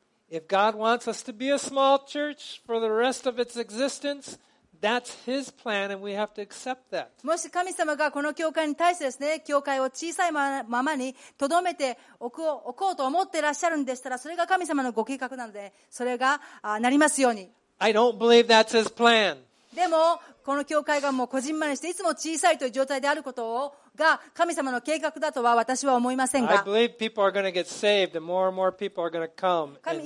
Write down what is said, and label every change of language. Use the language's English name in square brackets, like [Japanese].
[English] If God wants us to be a small church for the rest of its existence, that's His plan, and we have to accept that. [Japanese] もし神様がこの教会に対してですね、教会を小さいままにとどめて置こうと思っていらっしゃるんでしたら、それが神様のご計画なので、それがなりますように。 [English] I don't believe that's His plan. [Japanese] でもこの教会がもうこじんまりしていつも小さいという状態であることを。が神様の計画だとは私は思いませんが、 [English] I believe people are going to get saved and more and more people are going to come.